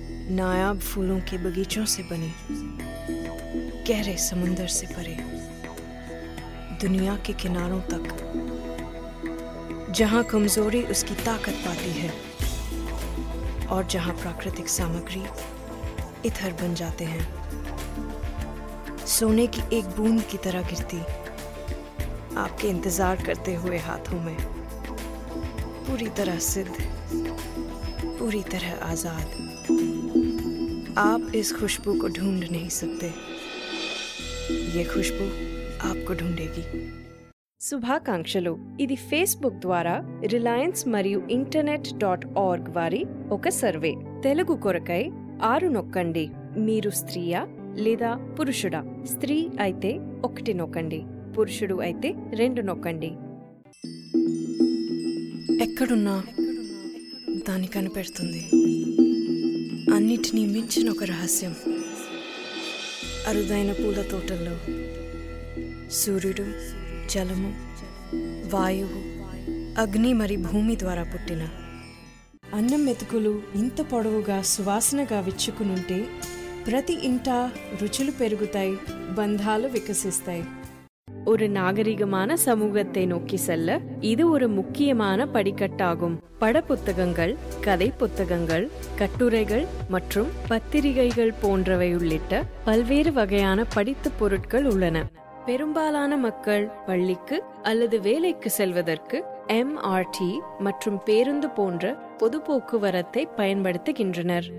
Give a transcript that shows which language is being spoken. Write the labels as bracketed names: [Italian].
[Hindi] नायाब फूलों के बगीचों से बने, गहरे समुंदर से परे, दुनिया के किनारों तक, जहां कमजोरी उसकी ताकत पाती है और जहां प्राकृतिक सामग्री इथर बन जाते हैं, सोने की एक बूंद की तरह गिरती आपके इंतजार करते हुए हाथों में, पूरी तरह सिद्ध, पूरी तरह आजाद. आप इस खुशबू को ढूंढ नहीं सकते, ये खुशबू आपको ढूंढेगी. [Telugu] శుభాకాంక్షలు. ఇది ఫేస్బుక్ ద్వారా రిలయన్స్ మరియు internet.org వారి ఒక సర్వే. తెలుగు కొరకై 6 నొక్కండి. మీరు స్త్రీయా లేదా పురుషుడా? స్త్రీ అయితే 1 నొక్కండి, పురుషుడు అయితే 2 నొక్కండి. ఎక్కడున్నా దాని కనిపెడుతుంది. అన్నిటినీ మించిన ఒక రహస్యం. అరుదైన పూల తోటల్లో సూర్యుడు, జలము, వాయువు, అగ్ని మరి భూమి ద్వారా పుట్టిన అన్నం మెతుకులు ఇంత పొడవుగా సువాసనగా విచ్చుకునుంటే ప్రతి ఇంటా రుచులు పెరుగుతాయి, బంధాలు వికసిస్తాయి. [Tamil] ஒரு நாகரிகமான சமூகத்தை நோக்கி செல்ல இது ஒரு முக்கியமான படிக்கட்டாகும். பட புத்தகங்கள், கதை புத்தகங்கள், கட்டுரைகள் மற்றும் பத்திரிகைகள் போன்றவை உள்ளிட்ட பல்வேறு வகையான படித்து பொருட்கள் உள்ளன. பெரும்பாலான மக்கள் பள்ளிக்கு அல்லது வேலைக்கு செல்வதற்கு MRT மற்றும் பேருந்து போன்ற பொது போக்குவரத்தை பயன்படுத்துகின்றனர்.